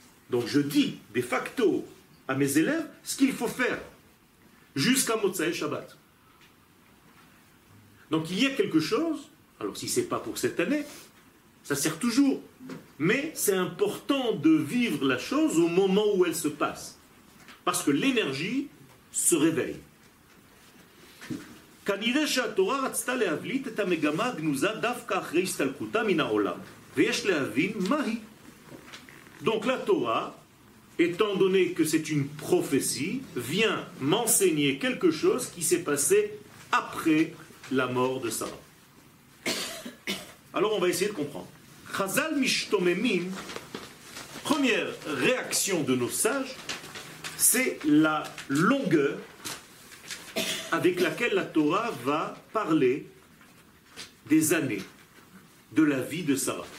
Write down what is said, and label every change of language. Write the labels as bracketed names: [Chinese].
[French] Donc je dis de facto à mes élèves ce qu'il faut faire jusqu'à Motsaï Shabbat. Donc il y a quelque chose, alors si ce n'est pas pour cette année, ça sert toujours, mais c'est important de vivre la chose au moment où elle se passe, parce que l'énergie se réveille. [Hebrew] כנראה שהתורה רצתה להבליט את המגמה הגנוזה דווקא אחרי הסתלקותה מן העולם. ויש להבין מהי. [French] Donc la Torah, étant donné que c'est une prophétie, vient m'enseigner quelque chose qui s'est passé après la mort de Sarah. Alors on va essayer de comprendre. [Hebrew] Chazal mishtomemim, [French] première réaction de nos sages, c'est la longueur avec laquelle la Torah va parler des années de la vie de Sarah.